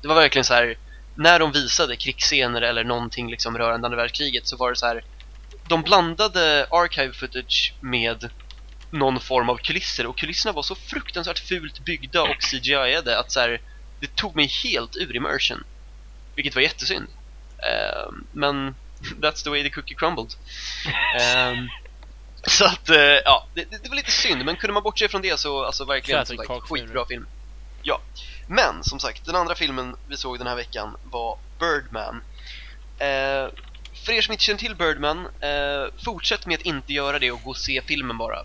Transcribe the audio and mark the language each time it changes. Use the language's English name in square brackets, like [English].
[Swedish] Det var verkligen så här, när de visade krigsscener eller någonting liksom rörande andra världskriget, så var det så här, de blandade archive footage med någon form av kulisser, och kulisserna var så fruktansvärt fult byggda och CGI-ade att så här, det tog mig helt ur immersion, vilket var jättesynd. [English] Men that's the way the cookie crumbled. [Swedish] Så att ja, det var lite synd, men kunde man bortse från det, så alltså verkligen så like, skitbra film. Ja. Men som sagt, den andra filmen vi såg den här veckan var Birdman. För er som inte känner till Birdman, fortsätt med att inte göra det och gå och se filmen bara.